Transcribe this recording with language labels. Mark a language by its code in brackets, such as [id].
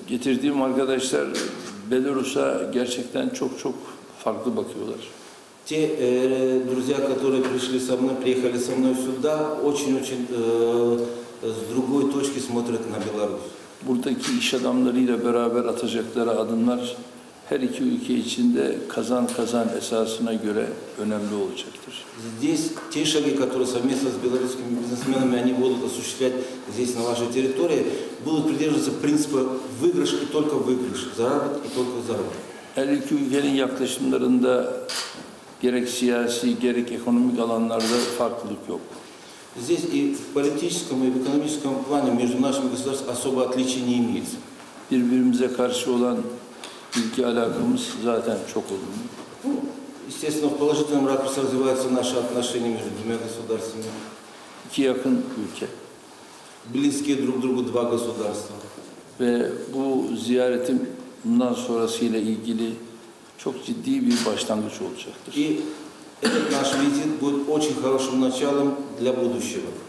[tr] Getirdiğim arkadaşlar Belarus'a gerçekten çok çok farklı bakıyorlar. [ru] Те друзья, которые пришли со мной, приехали со мной сюда, очень-очень с другой точки смотрят на Беларусь. [tr] Buradaki iş adamlarıyla beraber atacakları adımlar her iki ülke için de kazan-kazan esasına göre önemli olacaktır. [ru] Здесь те шаги, которые совместно с белорусскими бизнесменами они будут осуществлять здесь, на вашей территории, будут придерживаться принципа выигрыш и только выигрыш, заработок и только заработок. [tr] Her iki ülkenin yaklaşımlarında gerek siyasi, gerek ekonomik alanlarda farklılık yok. [ru] Здесь и в политическом, и в экономическом плане между нашими государствами особо отличий не имеется. [tr] Birbirimize karşı olan ülke alakamız zaten çok olumlu. [ru] Естественно, в положительном ракурсе развиваются наши отношения между двумя государствами. [tr] İki yakın ülke. [ru] Близкие друг другу два государства. [tr] Ve bu ziyaretim bundan sonrasıyla ilgili çok ciddi bir başlangıç olacaktır. [ru] И Этот наш визит будет очень хорошим началом для будущего.